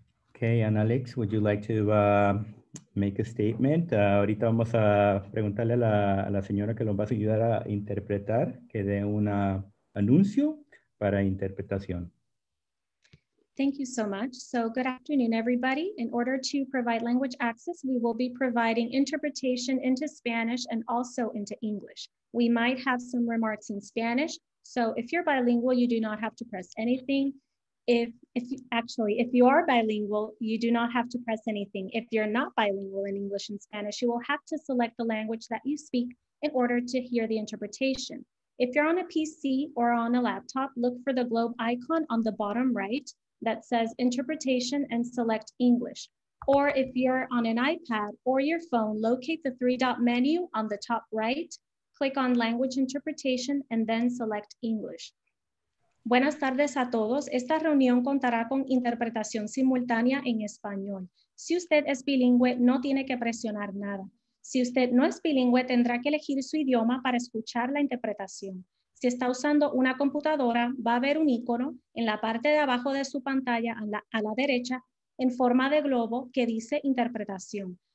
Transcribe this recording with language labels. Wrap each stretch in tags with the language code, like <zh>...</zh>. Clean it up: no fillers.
<en>Okay, and Alex, would you like to make a statement?</en> <es>Ahorita vamos a preguntarle a la señora que nos va a ayudar a interpretar, que dé un anuncio para interpretación.</es> <en>Thank you so much. So good afternoon, everybody. In order to provide language access, we will be providing interpretation into Spanish and also into English. We might have some remarks in Spanish. So if you're bilingual, you do not have to press anything. If you are bilingual, you do not have to press anything. If you're not bilingual in English and Spanish, you will have to select the language that you speak in order to hear the interpretation. If you're on a PC or on a laptop, look for the globe icon on the bottom right that says interpretation and select English. Or if you're on an iPad or your phone, locate the three-dot menu on the top right, click on language interpretation, and then select English.</en> <es>Buenas tardes a todos. Esta reunión contará con interpretación simultánea en español. Si usted es bilingüe, no tiene que presionar nada. Si usted no es bilingüe, tendrá que elegir su idioma para escuchar la interpretación. Si está usando una computadora, va a ver un icono en la parte de abajo de su pantalla a la derecha en forma de globo que dice interpretación.</es>